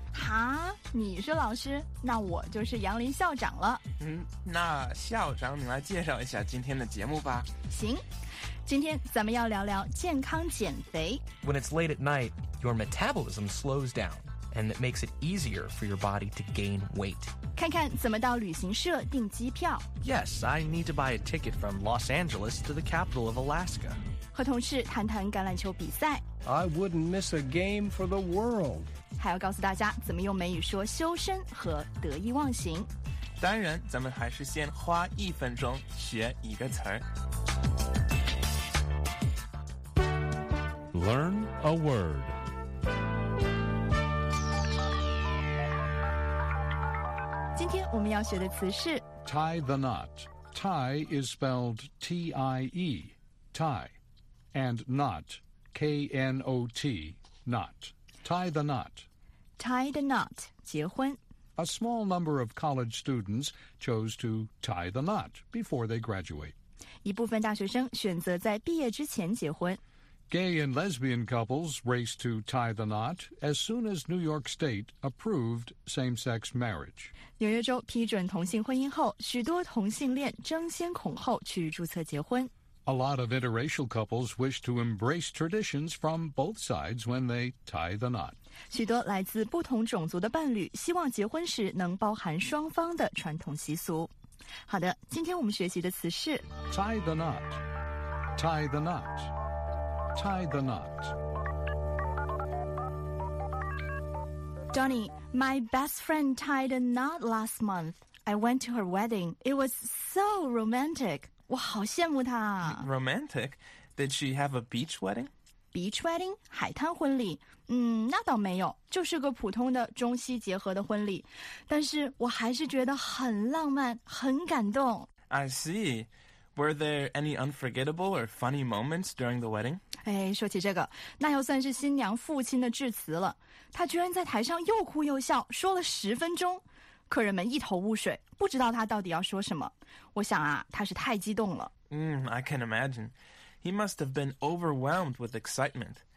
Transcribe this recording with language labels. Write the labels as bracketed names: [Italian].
[Chinese] 哈，你是老师，那我就是杨林校长了。那校长你来介绍一下今天的节目吧。行，今天咱们要聊聊健康减肥。 [English] When it's late at night, your metabolism slows down, and it makes it easier for your body to gain weight. [Chinese] 看看怎么到旅行社订机票。 [English] Yes, I need to buy a ticket from Los Angeles to the capital of Alaska. [Chinese] 和同事谈谈橄榄球比赛。 [English] I wouldn't miss a game for the world. [Chinese] 还要告诉大家怎么用美语说修身和得意忘形。当然，咱们还是先花一分钟学一个词儿。 [English] Learn a word. [Chinese] 今天我们要学的词是 [English] tie the knot. Tie is spelled T-I-E, tie, and knot, K-N-O-T, knot. Tie the knot. Tie the knot, [Chinese] 结婚 [English] A small number of college students chose to tie the knot before they graduate. [Chinese] 一部分大学生选择在毕业之前结婚 [English] Gay and lesbian couples raced to tie the knot as soon as New York State approved same-sex marriage. [Chinese] 纽约州批准同性婚姻后，许多同性恋争先恐后去注册结婚。 [English] A lot of interracial couples wish to embrace traditions from both sides when they tie the knot. [Chinese] 许多来自不同种族的伴侣希望结婚时能包含双方的传统习俗。好的，今天我们学习的词是 [English] tie the knot, tie the knot, tie the knot. Johnny, my best friend tied a knot last month. I went to her wedding. It was so romantic. [Chinese] 我好羡慕她。 [English] Romantic? Did she have a beach wedding? Beach wedding? [Chinese] 海滩婚礼？那倒没有，就是个普通的中西结合的婚礼。但是我还是觉得很浪漫，很感动。 [English] I see. Were there any unforgettable or funny moments during the wedding? [Chinese] 哎，说起这个，那又算是新娘父亲的致辞了。他居然在台上又哭又笑，说了十分钟，客人们一头雾水，不知道他到底要说什么。我想啊，他是太激动了。 [English] I can imagine. He must have been overwhelmed with excitement.